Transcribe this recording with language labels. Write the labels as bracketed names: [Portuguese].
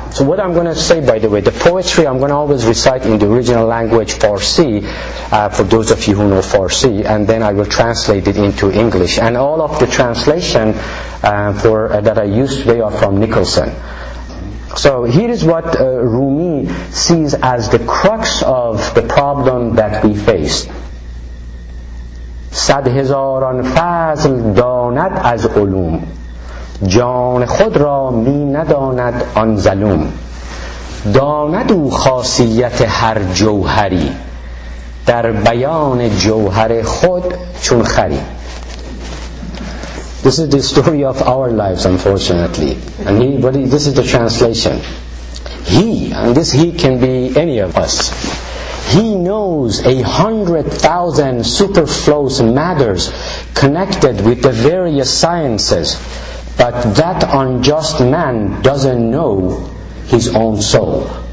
[English] So what I'm going to say, by the way, the poetry I'm going to always recite in the original language, Farsi, for those of you who know Farsi, and then I will translate it into English. And all of the translation that I use today are from Nicholson. So here is what Rumi sees as the crux of the problem that we face. [Persian] صد هزاران فضل داند از علوم جان خود را می نداند آن ظلوم داند او خاصیت هر جوهری در بیان جوهر خود چون خری. [English] This is the story of our lives, unfortunately. And this is the translation. He, and this he can be any of us, he knows 100,000 superfluous matters connected with the various sciences, but that unjust man doesn't know his own soul.